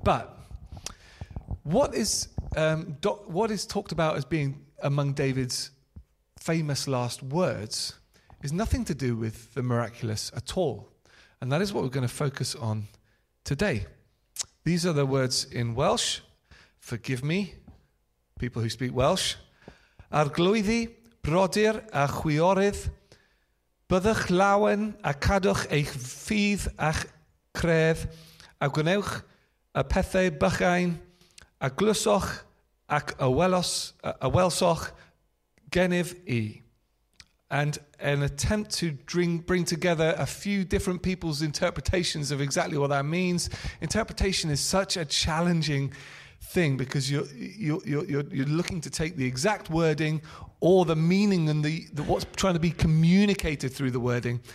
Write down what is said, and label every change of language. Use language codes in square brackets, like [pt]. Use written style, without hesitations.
[en] But what is talked about as being among David's famous last words is nothing to do with the miraculous at all. And that is what we're going to focus on today. These are the words in Welsh. Forgive me, people who speak Welsh. [cy] Arglwyddi, brodyr a chwiorydd, byddwch lawen a cadwch eich ffydd a'ch credd, a gwnewch y pethau bychain, a glyswch ac y welsoch genif i. [en] And an attempt to bring together a few different people's interpretations of exactly what that means. Interpretation is such a challenging thing, because you're looking to take the exact wording or the meaning and the what's trying to be communicated through the wording.